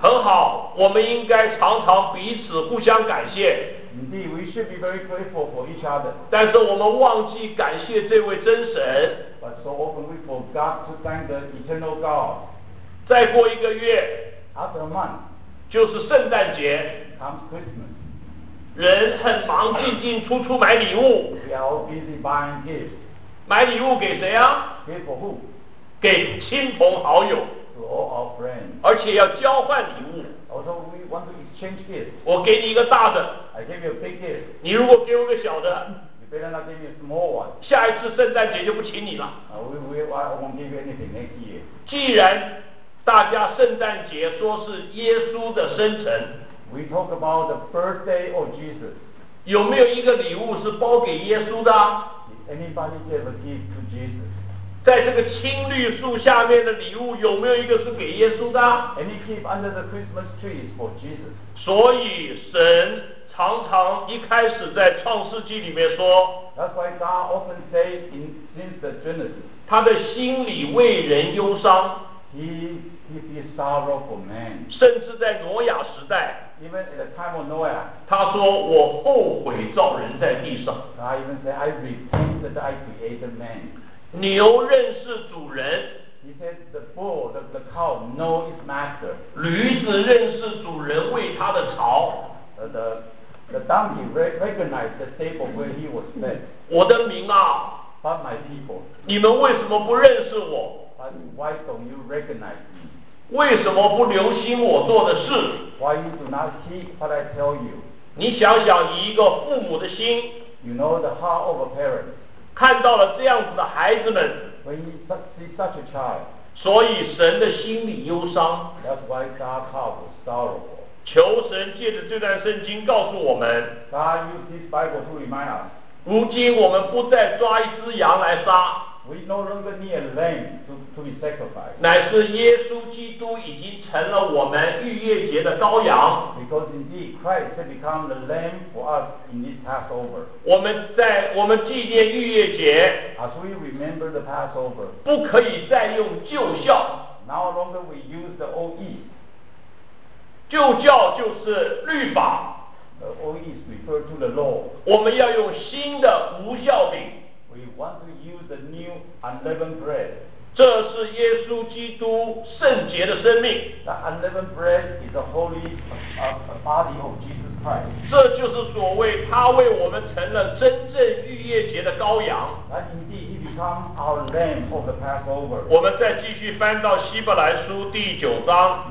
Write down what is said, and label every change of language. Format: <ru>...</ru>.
<zh>很好，我们应该常常彼此互相感谢。</zh> <en>Indeed, we should be very grateful for each other.</en> <zh>但是我们忘记感谢这位真神。</zh> <en>But so often we forgot to thank the eternal God.</en> <zh>再过一个月。</zh> <en>After a month.</en> <zh>就是圣诞节。</zh> <en>Comes Christmas.</en> <zh>人很忙，进进出出买礼物。</zh> <en>We are all busy buying gifts.</en> <zh>买礼物给谁啊？</zh> <en>Give for who?</en> <zh>给亲朋好友。</zh> <en>To all our friends.</en> <zh>而且要交换礼物。</zh> <en>Also, we want to exchange gifts.</en> <zh>我给你一个大的。</zh> <en>I give you a big gift.</en> <zh>你如果给我个小的。</zh> <en>You better not give me a small one.</en> <zh>下一次圣诞节就不请你了。</zh> <en>I won't give you anything next year.</en> <zh>既然大家圣诞节说是耶稣的生辰。</zh> <en>We talk about the birthday of Jesus.</en> <zh>有没有一个礼物是包给耶稣的？</zh> <en>Did anybody give a gift to Jesus?</en> <zh>在这个青绿树下面的礼物有没有一个是给耶稣的？</zh> <en>Any gift under the Christmas tree is for Jesus.</en> <zh>所以神常常一开始在创世纪里面说，</zh> <en>That's why God often says in since the Genesis.</en> <zh>他的心里为人忧伤。</zh> <en>He feels sorrow for man.</en> <zh>甚至在挪亚时代，</zh> <en>Even at the time of Noah.</en> <zh>他说我后悔造人在地上。</zh> <en>God even said I repent that I created man.</en> <zh>牛认识主人。</zh> <en>He said the bull, the cow know its master.</en> <zh>驴子认识主人喂它的草。</zh> <en>The donkey recognized the stable where he was fed.</en> <zh>我的民啊。</zh> <en>But my people.</en> <zh>你们为什么不认识我？</zh> <en>But why don't you recognize me?</en> <zh>为什么不留心我做的事？</zh> <en>Why you do not see what I tell you?</en> <zh>你想想一个父母的心。</zh> <en>You know the heart of a parent.</en> <zh>看到了这样子的孩子们，</zh> <en>When he see such a child,</en> <zh>所以神的心里忧伤。</zh> <en>That's why God called was sorrowful.</en> <zh>求神借着这段圣经告诉我们，</zh> <en>God used this Bible to remind us.</en> <zh>如今我们不再抓一只羊来杀，</zh> <en>We no longer need a lamb to be sacrificed.</en> <zh>乃是耶稣基督已经成了我们逾越节的羔羊。</zh> <en>Because indeed Christ has become the lamb for us in this Passover.</en> <zh>我们纪念逾越节，</zh> <en>As we remember the Passover,</en> <zh>不可以再用旧教。</zh> <en>No longer we use the old East.</en> <zh>旧教就是律法。</zh> <en>The old East refers to the law.</en> <zh>我们要用新的无酵饼。</zh> <en>We want to use the new unleavened bread.</en> <zh>这是耶稣基督圣洁的生命。</zh> <en>The unleavened bread is the holy body of Jesus Christ.</en> <zh>这就是所谓他为我们成了真正逾越节的羔羊。</zh> <en>That indeed he become our lamb for the Passover.</en> <zh>我们再继续翻到希伯来书第九章。</zh>